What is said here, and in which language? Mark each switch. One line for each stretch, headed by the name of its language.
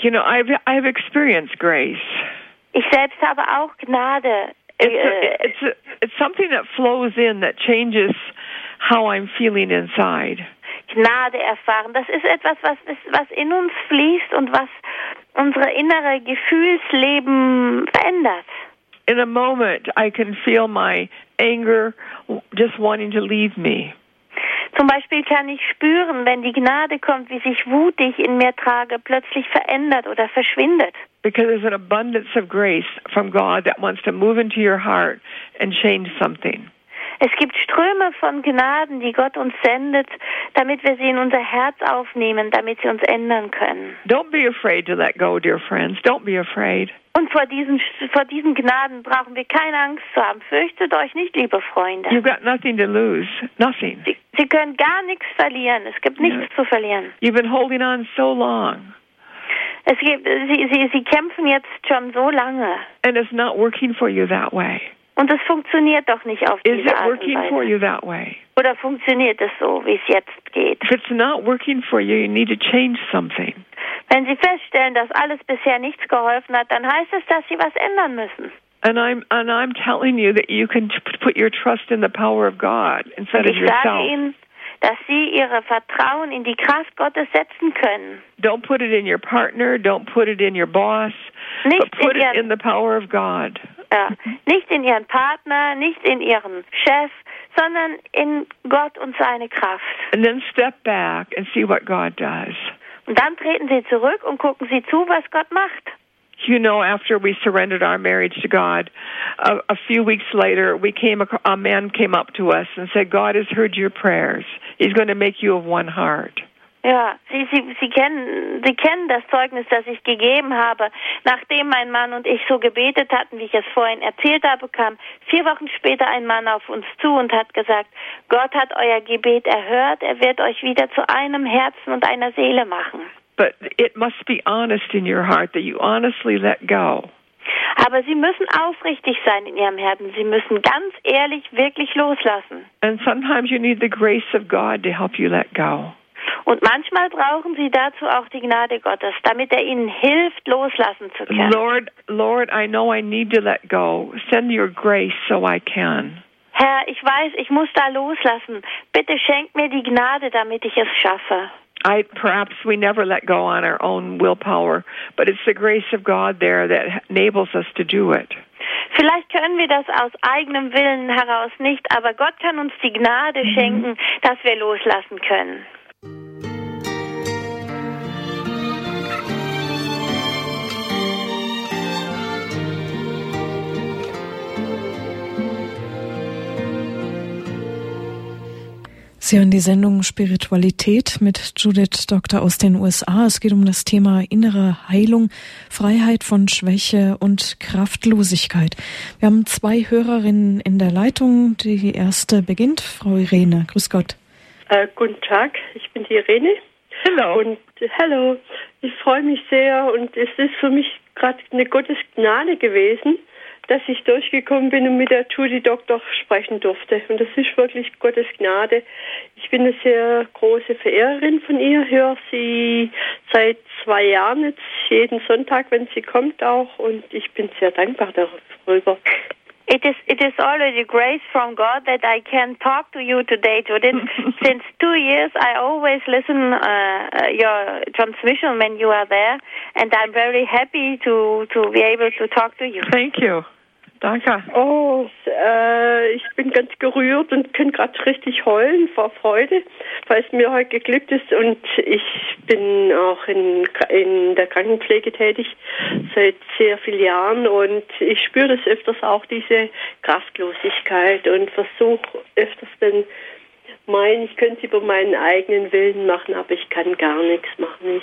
English: You know, I've experienced grace.
German: Ich selbst habe auch Gnade.
English: It's something that flows in that changes how I'm feeling inside.
German: Gnade erfahren. Das ist etwas, was in uns fließt und was unsere innere Gefühlsleben verändert.
English: In a moment, I can feel my anger just wanting to leave me.
German: Zum Beispiel kann ich spüren, wenn die Gnade kommt, wie sich Wut, die ich in mir trage, plötzlich verändert oder verschwindet.
English: Because there's an abundance of grace from God that wants to move into your heart and change something.
German: Es gibt Ströme von Gnaden, die Gott uns sendet, damit wir sie in unser Herz aufnehmen, damit sie uns ändern können.
English: Don't be afraid to let go, dear friends. Don't be afraid.
German: Und vor diesen Gnaden brauchen wir keine Angst zu haben. Fürchtet euch nicht, liebe Freunde.
English: You've got nothing to lose. Nothing.
German: Sie können gar nichts verlieren. Es gibt nichts zu verlieren.
English: You've been holding on so long.
German: Sie kämpfen jetzt schon so lange.
English: And it's not working for you that way.
German: Und es funktioniert doch nicht auf diese Art und Weise.
English: For you that way?
German: Oder funktioniert es so, wie es jetzt geht?
English: If it's not working for you, you need to change something.
German: Wenn Sie feststellen, dass alles bisher nichts geholfen hat, dann heißt es, dass Sie was ändern müssen.
English: And I'm telling you that you can put your trust in the power of God instead of yourself.
German: Und ich sage Ihnen, dass Sie Ihre Vertrauen in die Kraft Gottes setzen können.
English: Don't put it in your partner, don't put it in your boss,
German: nicht
English: but put in it in the power of God.
German: Nicht in Ihren Partner, nicht in Ihren Chef, sondern in Gott und seine Kraft.
English: And then step back and see what God does.
German: Und dann treten Sie zurück und gucken Sie zu, was Gott macht.
English: You know, after we surrendered our marriage to God, a few weeks later, a man came up to us and said, God has heard your prayers. He's going to make you of one heart.
German: Ja, Sie kennen das Zeugnis, das ich gegeben habe, nachdem mein Mann und ich so gebetet hatten, wie ich es vorhin erzählt habe, kam 4 Wochen später ein Mann auf uns zu und hat gesagt, Gott hat euer Gebet erhört, er wird euch wieder zu einem Herzen und einer Seele machen.
English: But it must be honest in your heart that you honestly let go.
German: Aber sie müssen aufrichtig sein in ihrem Herzen. Sie müssen ganz ehrlich wirklich loslassen.
English: And sometimes you need the grace of God to help you let go.
German: Und manchmal brauchen sie dazu auch die Gnade Gottes, damit er ihnen hilft, loslassen zu können.
English: Lord, I know I need to let go. Send your grace so I can.
German: Herr, ich weiß, ich muss da loslassen. Bitte schenk mir die Gnade, damit ich es schaffe.
English: Perhaps we never let go on our own willpower, but it's the grace of God there that enables us to do it.
German: Vielleicht können wir das aus eigenem Willen heraus nicht, aber Gott kann uns die Gnade schenken, dass wir loslassen können. Sie hören die Sendung Spiritualität mit Judith Doktor aus den USA. Es geht um das Thema innere Heilung, Freiheit von Schwäche und Kraftlosigkeit. Wir haben 2 Hörerinnen in der Leitung. Die erste beginnt, Frau Irene. Grüß Gott. Guten Tag, ich bin die Irene.
English: Hello. Hello.
German: Ich freue mich sehr und es ist für mich gerade eine Gottes Gnade gewesen, dass ich durchgekommen bin und mit der Judy Doktor sprechen durfte. Und das ist wirklich Gottes Gnade. Ich bin eine sehr große Verehrerin von ihr, höre sie seit 2 Jahren jetzt jeden Sonntag, wenn sie kommt auch. Und ich bin sehr dankbar darüber.
English: It is already grace from God that I can talk to you today, Judith. Since 2 years, I always listen your transmission when you are there, and I'm very happy to be able to talk to you. Thank you.
German: Danke. Oh, ich bin ganz gerührt und kann gerade richtig heulen vor Freude, weil es mir heute geglückt ist. Und ich bin auch in der Krankenpflege tätig seit sehr vielen Jahren. Und ich spüre das öfters auch, diese Kraftlosigkeit, und versuche öfters dann, ich könnte es über meinen eigenen Willen machen, aber ich kann gar nichts machen.